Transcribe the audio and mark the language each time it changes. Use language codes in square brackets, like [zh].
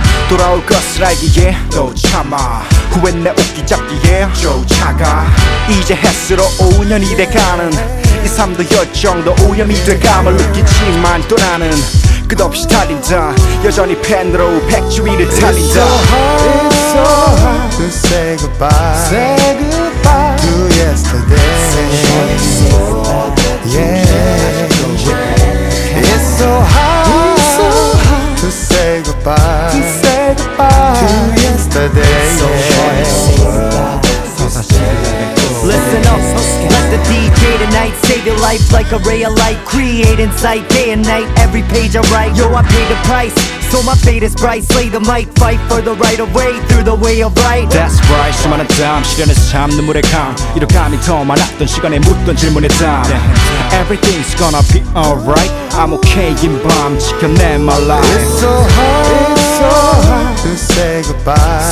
[ko] 돌아올 것을 알기에 너 참아 후회 내 옷기 잡기에 쫓아가 이제 햇수로 5년이 돼가는 이 삶도 열정도 오염이 돼감을 느끼지만 또 나는 끝없이 달린다 여전히 팬으로 백주위를 달린다 [en] It's so hard to say goodbye Say goodbye To yesterday Say goodbye Yeah It's so hard To say goodbye To yesterday So Listen up, let the DJ tonight save your life like a ray of light Creating sight day and night, every page I write Yo, I pay the price, so my fate is bright Slay the mic, fight for the right of way through the way of right That's right, [ko] 수많은 땀, 시련의 삶, 눈물의 강 이런 감이 더 많았던 시간에 묻던 질문의 땀 [en] Everything's gonna be alright, I'm okay in [ko] 밤 지켜낸 [en] my life It's so hard, it's so hard to say goodbye